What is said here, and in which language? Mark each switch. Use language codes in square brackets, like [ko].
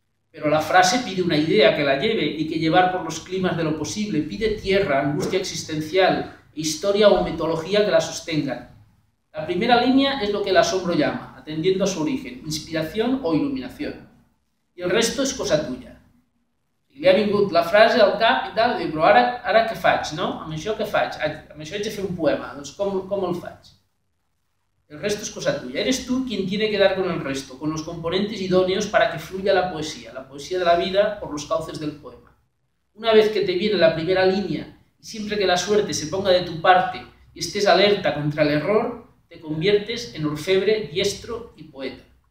[es] Pero la frase pide una idea que la lleve y que llevar por los climas de lo posible, pide tierra, angustia existencial, historia o mitología que la sostengan. La primera línea es lo que el asombro llama, atendiendo a su origen, inspiración o iluminación. Y el resto es cosa tuya. [ca] Y le ha vingut la frase al cap i tal, però ara què faig, no? Amb això què faig? Amb això haig de fer un poema, doncs com el faig? [es] El resto es cosa tuya. Eres tú quien tiene que dar con el resto, con los componentes idóneos para que fluya la poesía de la vida por los cauces del poema. Una vez que te viene la primera línea, y siempre que la suerte se ponga de tu parte y estés alerta contra el error, te conviertes en orfebre, diestro y poeta.